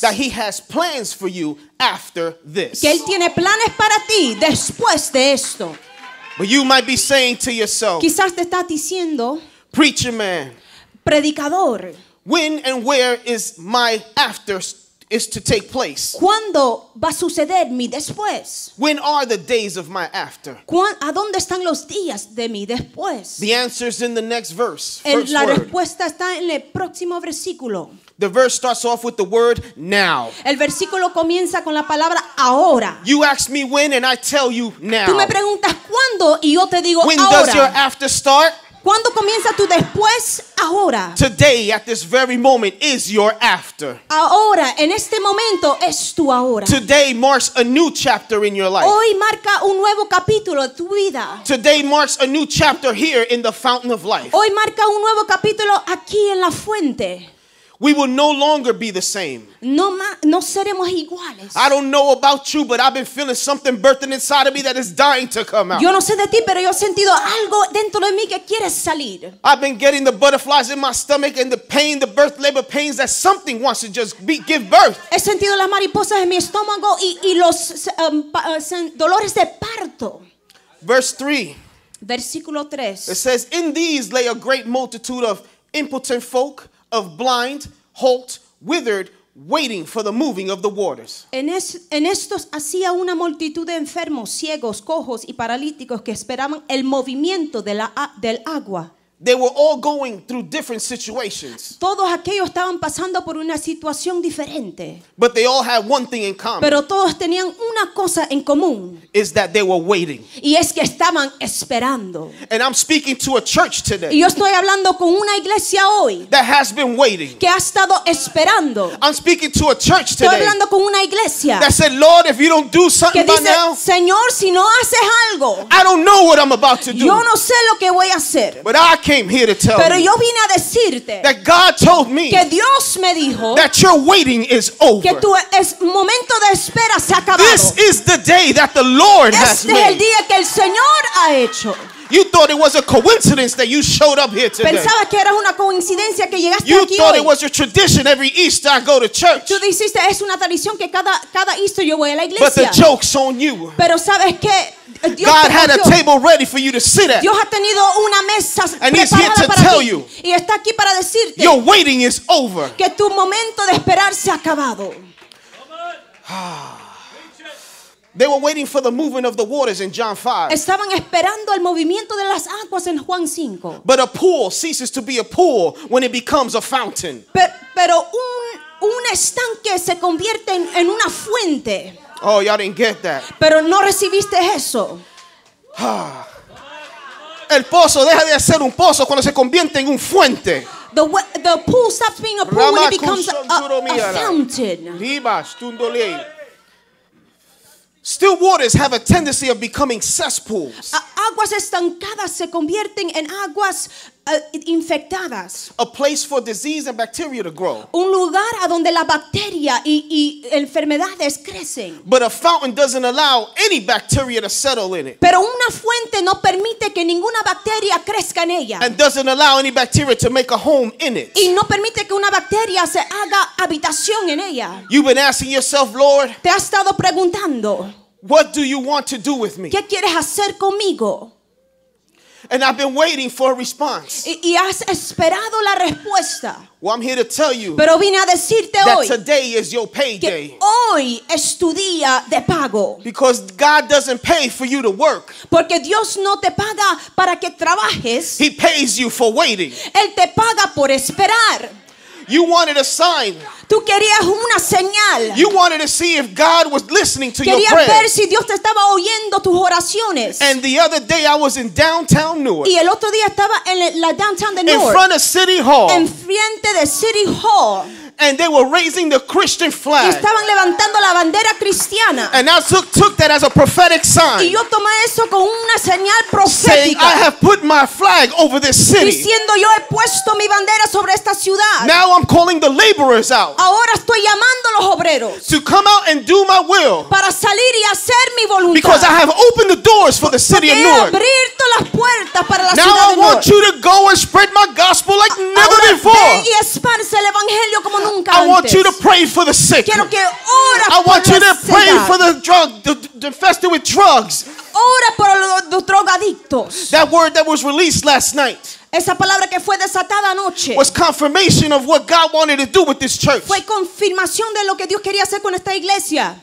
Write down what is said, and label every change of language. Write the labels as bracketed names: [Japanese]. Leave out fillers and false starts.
[English] that he has plans for you after this. [Spanish] Que él tiene planes para ti después de esto. [English] But you might be saying to yourself, [Spanish] quizás te estás diciendo, [English] preacher man, [Spanish] predicador, [English] when and where is my after is to take place? [Spanish] ¿Cuándo va a suceder mi después? [English] When are the days of my after? [Spanish] ¿A dónde están los días de mi después? [English] The answer is in the next verse. [Spanish] La respuesta está en el próximo versículo. [English] The verse starts off with the word now. [Spanish] El versículo comienza con la palabra ahora. [English] You ask me when and I tell you now. [Spanish] Tú me preguntas cuándo y yo te digo [English] when [Spanish] ahora. [English] When does your after start? [Spanish] ¿Cuándo comienza tu después? Ahora. [English] Today, at this very moment, is your after. [Spanish] Ahora, en este momento, es tu ahora. [English] Today marks a new chapter in your life. [Spanish] Hoy marca un nuevo capítulo de tu vida. [English] Today marks a new chapter here in the fountain of life. [Spanish] Hoy marca un nuevo capítulo aquí en la fuente. [English] We will no longer be the same. [Spanish] No seremos iguales. [English] I don't know about you, but I've been feeling something birthing inside of me that is dying to come out. [Spanish] Yo no sé de ti, pero yo he sentido algo dentro de mí que quiere salir. [English] I've been getting the butterflies in my stomach and the pain, the birth labor pains that something wants to just give birth. [Spanish] He sentido las mariposas en mi estómago y los dolores de parto. [English] Verse 3. It says, in these lay a great multitude of impotent folk, of blind, halt, withered, waiting for the moving of the waters. [Spanish] En estos hacía una multitud de enfermos, ciegos, cojos y paralíticos que esperaban el movimiento del agua. [English] They were all going through different situations. [Spanish] Todos aquellos estaban pasando por una situación diferente. [English] But they all had one thing in common. [Spanish] Pero todos tenían una cosa en común. [English] Is that they were waiting. [Spanish] Y es que estaban esperando. [English] And I'm speaking to a church today. [Spanish] Y yo estoy hablando con una iglesia hoy. [English] That has been waiting. [Spanish] Que ha estado esperando. [English] I'm speaking to a church today. [Spanish] Estoy hablando con una iglesia. [English] That said, Lord, if you don't do something [Spanish] que dice, [English] by now. [Spanish] Señor, si no haces algo. [English] I don't know what I'm about to do. [Spanish] Yo no sé lo que voy a hacer. [English] But I came here to tell [Spanish] pero yo vine a decirte [English] that God told me, [Spanish] que Dios me dijo [English] that your waiting is over. [Spanish] Que tu momento de espera se ha acabado. [English] This is the day that the Lord [Spanish] este [English] has made. [Spanish] Es el día que el Señor ha hecho. [English] You thought it was a coincidence that you showed up here today. [Spanish] Pensaba que era una coincidencia que llegaste [English] you [Spanish] aquí [English] thought [Spanish] hoy. [English] It was a tradition every Easter I go to church. [Spanish] Tú dijiste, es una tradición que cada Easter yo voy a la iglesia. [English] But the joke's on you. [Spanish] Pero sabes que [English] God had a table ready for you to sit at. [Spanish] Dios ha tenido una mesa [English] and he's here to tell [Spanish] ti. [English] You [Spanish] y está aquí para decirte [English] your waiting is over. [Spanish] Que tu momento de esperar se ha acabado. [English] They were waiting for the moving of the waters in John 5. [Spanish] Estaban esperando el movimiento de las aguas en Juan 5. [English] But a pool ceases to be a pool when it becomes a fountain. [Spanish] Pero un estanque se convierte en una fuente. [English] Oh, y'all didn't get that. [Spanish] Pero no recibiste eso. El pozo deja de ser un pozo cuando se convierte en un fuente. [English] The pool stops being a pool when it becomes a fountain. Libas, tundole. Still waters have a tendency of becoming cesspools. [Spanish] Aguas estancadas se convierten en aguas infectadas. [English] A place for disease and bacteria to grow. [Spanish] Un lugar a donde la bacteria y enfermedades crecen. [English] But a fountain doesn't allow any bacteria to settle in it. [Spanish] Pero una fuente no permite que ninguna bacteria crezca en ella. [English] And doesn't allow any bacteria to make a home in it. [Spanish] Y no permite que una bacteria se haga habitación en ella. [English] You've been asking yourself, Lord. [Spanish] Te has estado preguntando. [English] What do you want to do with me? [Spanish] ¿Qué quieres hacer conmigo? [English] And I've been waiting for a response. [Spanish] Y has esperado la respuesta. [English] Well, I'm here to tell you. [Spanish] Pero vine a decirte [English] that [Spanish] hoy. [English] That today is your payday. [Spanish] Hoy es tu día de pago. [English] Because God doesn't pay for you to work. [Spanish] Porque Dios no te paga para que trabajes. [English] He pays you for waiting. [Spanish] Él te paga por esperar. [English] You wanted a sign. [Spanish] Tú querías una señal. [English] You wanted to see if God was listening to [Spanish] querías [English] your prayer. [Spanish] Querías ver si Dios te estaba oyendo tus oraciones. [English] And the other day I was in downtown Newark. [Spanish] Y el otro día estaba en la downtown de Newark. [English] In front of City Hall. [Spanish] Enfrente de City Hall. [English] and they were raising the Christian flag. [Spanish] Y estaban levantando la bandera cristiana. [English] And I took that as a prophetic sign. [Spanish] Y yo tomé eso con una señal profética. [English] Saying, I have put my flag over this city. [Spanish] Diciendo, yo he puesto mi bandera sobre esta ciudad. [English] Now I'm calling the laborers out. [Spanish] Ahora estoy llamando los obreros. [English] To come out and do my will. [Spanish] Para salir y hacer mi voluntad. [English] Because I have opened the doors for the city of Newark. [Spanish] Abierto las puertas para la ciudad de Newark. [English] Now I want you to go and spread my gospel like never before. [Spanish] Y esparce el evangelio como nunca antes. [English] I want you to pray for the sick. [Spanish] Quiero que ora por [English] I want you to pray for the drug, the infested with drugs. [Spanish] Ora por los drogadictos. [English] That word that was released last night. [Spanish] Esa palabra que fue desatada anoche. [English] Was confirmation of what God wanted to do with this church. [Spanish] Fue confirmación de lo que Dios quería hacer con esta iglesia.